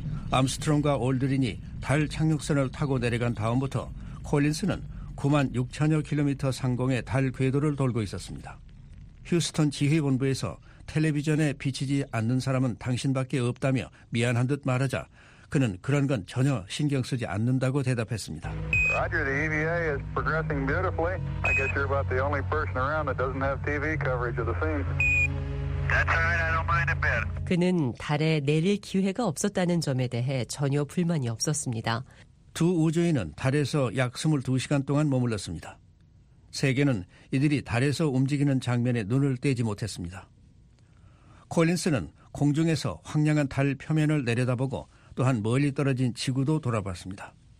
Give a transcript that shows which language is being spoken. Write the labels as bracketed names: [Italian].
[Korean] 암스트롱과 올드린이 달 착륙선을 타고 내려간 다음부터 콜린스는 9만 6천여 킬로미터 상공의 달 궤도를 돌고 있었습니다. 휴스턴 지휘본부에서 텔레비전에 비치지 않는 사람은 당신밖에 없다며 미안한 듯 말하자 그는 그런 건 전혀 신경 쓰지 않는다고 대답했습니다. [English] Roger, the EVA is progressing beautifully. I guess you're about the only person around that doesn't have TV coverage of the scene. That's all right, I don't mind a bit. [Korean] 그는 달에 내릴 기회가 없었다는 점에 대해 전혀 불만이 없었습니다. 두 우주인은 달에서 약 22시간 동안 머물렀습니다. 세계는 이들이 달에서 움직이는 장면에 눈을 떼지 못했습니다. 콜린스는 공중에서 황량한 달 표면을 내려다보고 또한 멀리 떨어진 지구도 돌아봤습니다.